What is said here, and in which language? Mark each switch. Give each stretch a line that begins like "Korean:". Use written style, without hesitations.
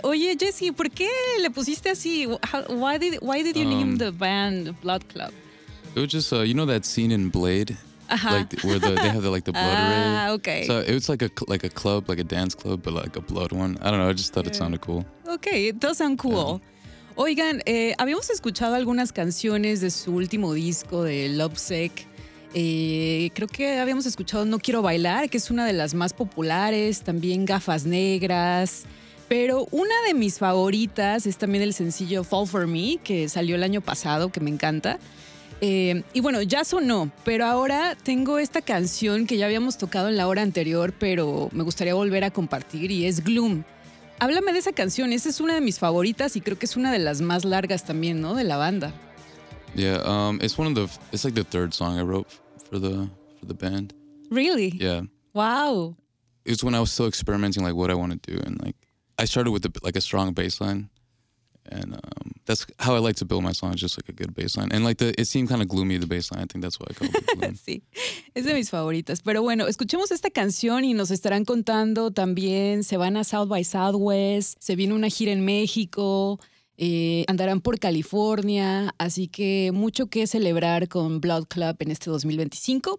Spanish: Oye, Jesse, ¿por qué le pusiste así?
English: Why did you name the band Blood Club? It was just, you know that scene in Blade? Uh-huh. Like where they have the blood array. Okay. So it was like a club, like a dance club, but like a blood one. I don't know, I just thought it sounded cool. Okay, it does sound cool. Yeah.
Spanish: Oigan, habíamos escuchado algunas canciones de su último disco de Lovesick. Creo que habíamos escuchado No Quiero Bailar, que es una de las más populares, también Gafas Negras, pero una de mis favoritas es también el sencillo Fall For Me, que salió el año pasado, que me encanta. Y bueno, ya sonó, pero ahora tengo esta canción que ya habíamos tocado en la hora anterior, pero me gustaría volver a compartir y es Gloom. Háblame de esa canción, esa es una de mis favoritas y creo que es una de las más largas también, ¿no? De la banda.
English: Yeah, it's like the third song I wrote for the band. Really? Yeah. Wow. It's when I was still experimenting like what I want to do, and like I started with like a strong bass line, and that's how I like to build my songs, just like a good bass line. And like it seemed kind of gloomy, the bass line. I think that's why I called it
Spanish: Gloom. Sí, es de mis favoritas. Pero bueno, escuchemos esta canción y nos estarán contando también, se van a South by Southwest, se viene una gira en México. Andarán por California, así que mucho que celebrar con Blood Club en este 2025.